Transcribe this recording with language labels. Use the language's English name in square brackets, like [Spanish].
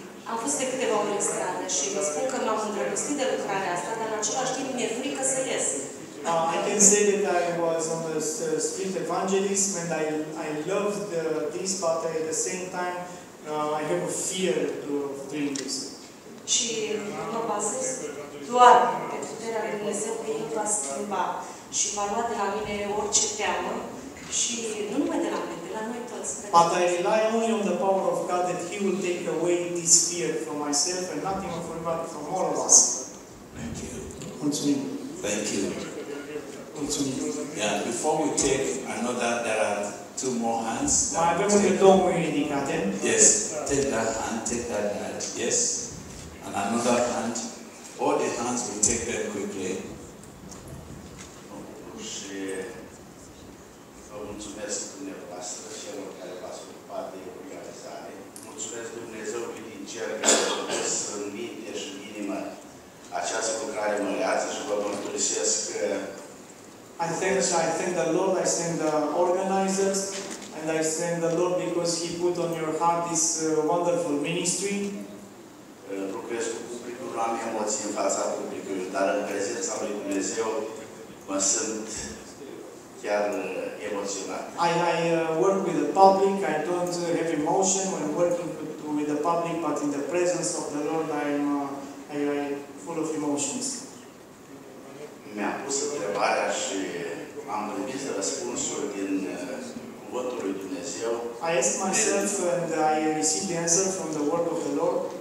[Romanian] Am fost de câteva ori în stradă și vă spun că m-am îndrăgostit de lucrarea asta, dar în același timp mi-e frică să ies. [English] I can say that I was on the street evangelism and I loved this, but at the same time I have a fear to doing this. [Romanian] Și mă bazez doar pe puterea lui Dumnezeu că El va schimba și va lua de la mine orice teamă și nu numai de la mine, de la noi toți. [English] But I rely only on the power of God that He will take away this fear from myself and nothing from anybody, from all of us. Thank you. [Romanian] Mulțumim. [English] Thank you. Yeah, before we take another, there are two more hands. [Romanian] Mai avem un două mâini ridicate. [English] Yes, take that hand, take that hand. Yes, and another hand. All the hands, we take them quickly. [Romanian] Și vă mulțumesc dumneavoastră și celor care v-ați ocupat de organizare. Mulțumesc Dumnezeu că din cer că v-a pus în minte și în inimă această lucrare măreață și vă mulțumesc că [English] I thank the Lord, I thank the organizers, and I thank the Lord because He put on your heart this wonderful ministry. [Romanian] Lucrez cu publicul, nu am emoții în fața publicului, dar în prezența lui Dumnezeu mă sunt chiar emoționat. [English] I work with the public, I don't have emotion when working with the public, but in the presence of the Lord I'm full of emotions. [Romanian] Mi-a pus întrebarea și am primit răspunsul din cuvântul lui Dumnezeu. [English] I asked myself and I received the answer from the word of the Lord.